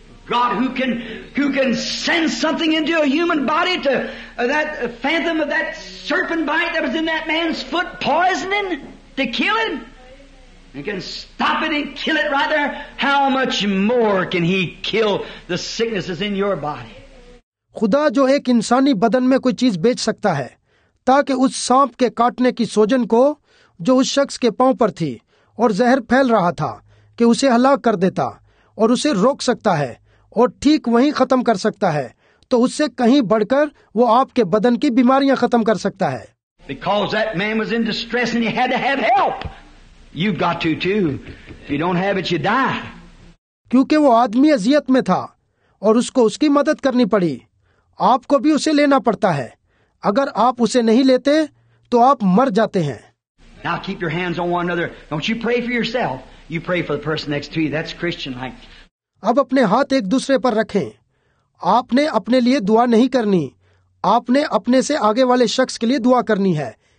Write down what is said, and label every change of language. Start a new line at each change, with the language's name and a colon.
English: God who can send something into a human body to that phantom of that serpent bite that was in that man's foot poisoning to kill him? He can stop it and kill it right there. How much more can he kill the sicknesses in your body?
Hindi: खुदा जो एक इंसानी बदन में कोई चीज बेच सकता है ताकि उस सांप के काटने की सूजन को जो उस शख्स के पांव पर थी और जहर फैल रहा था कि उसे हलाक कर देता और उसे रोक सकता है और ठीक वहीं खत्म कर सकता है, तो उससे कहीं बढ़कर वो आपके बदन की बीमारियां खत्म कर सकता है।
English: Because that man was in distress and he had to have help. You've got to too. If you don't have it, you die.
Hindi: क्योंकि वो आदमी अजियत में था और उसको उसकी मदद करनी पड़ी। आपको भी उसे लेना पड़ता है। अगर आप उसे नहीं लेते तो आप मर जाते हैं।
English: Now keep your hands on one another. Don't you pray for yourself. You pray for the person next to you. That's Christian life.
Hindi: अब अपने हाथ एक दूसरे पर रखें। आपने अपने लिए दुआ नहीं करनी, आपने अपने से आगे वाले शख्स के लिए दुआ करनी है।